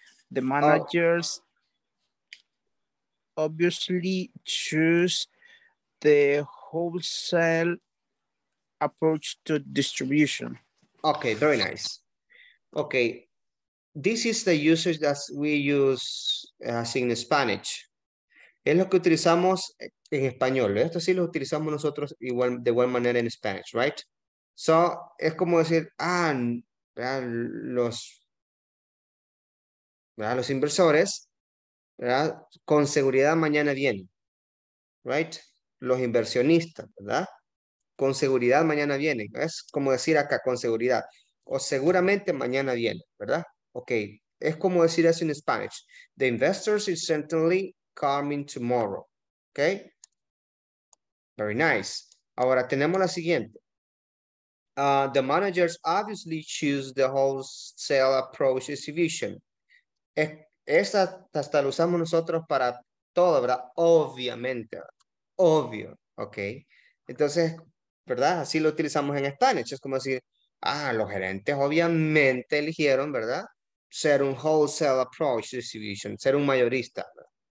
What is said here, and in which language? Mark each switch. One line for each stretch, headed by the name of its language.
English: The managers obviously choose the wholesale approach to distribution. Okay, very nice. Okay, this is the usage that we use as in Spanish.
Spanish: Es lo que utilizamos en español. Esto sí lo utilizamos nosotros igual, de igual manera en Spanish, right? So, es como decir, los inversores, ¿verdad? Con seguridad mañana vienen, right? Los inversionistas, ¿verdad? Con seguridad mañana viene. Es como decir acá, con seguridad. O seguramente mañana viene, ¿verdad? Ok. Es como decir eso en Spanish.
English: The investors is certainly coming tomorrow. Ok. Very nice.
Spanish: Ahora tenemos la siguiente. The managers obviously choose the wholesale approach distribution. Esta hasta la usamos nosotros para todo, ¿verdad? Obviamente. Obvio. Ok. Entonces, ¿verdad? Así lo utilizamos en Spanish. Es como decir, ah, los gerentes obviamente eligieron, ¿verdad? Ser un wholesale approach distribution, ser un mayorista, ¿verdad?